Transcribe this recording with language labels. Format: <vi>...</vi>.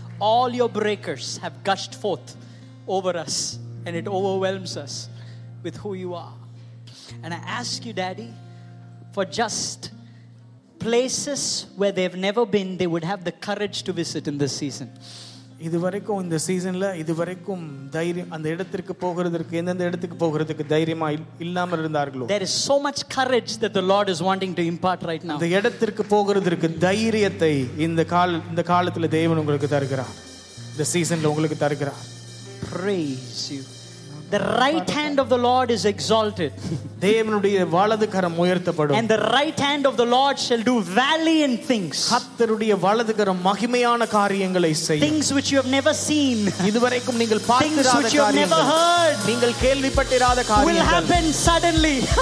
<en>All your breakers have gushed forth over us and it overwhelms us with who you are. And I ask you, Daddy, for just places where they've never been, they would have the courage to visit in this season.</en> <ta>இதுவரைக்கும் இந்த சீசன்ல இதுவரைக்கும் தைரியம் அந்த இடத்துக்கு போகிறதுக்கு எந்தெந்த இடத்துக்கு போகிறதுக்கு தைரியமா இல்லாம இருந்தார்களோ.</ta> <en>There is so much courage that the Lord is wanting to impart right now.</en> <ta>இந்த இடத்துக்கு போகிறதுக்கு தைரியத்தை இந்த காலத்துல தேவன் உங்களுக்கு தருகிறார். இந்த சீசன்ல உங்களுக்கு தருகிறார்.</ta> <en>Praise you. The right hand of the Lord is exalted.</en> <ta>தேவனுடைய வலது கரம் உயர்த்தப்படும்.</ta> <en>And the right hand of the Lord shall do valiant things.</en> <ta>கர்த்தருடைய வலது கரம் மகிமையான காரியங்களை செய்யும்.</ta> <en>Things which you have never seen.</en> <ta>இதுவரைக்கும் நீங்கள் பார்த்திராத காரியங்கள்.</ta> <en>Things which you have never heard.</en> <ta>நீங்கள் கேள்விப்பட்டிராத காரியங்கள்.</ta> <en>Will happen suddenly.</en>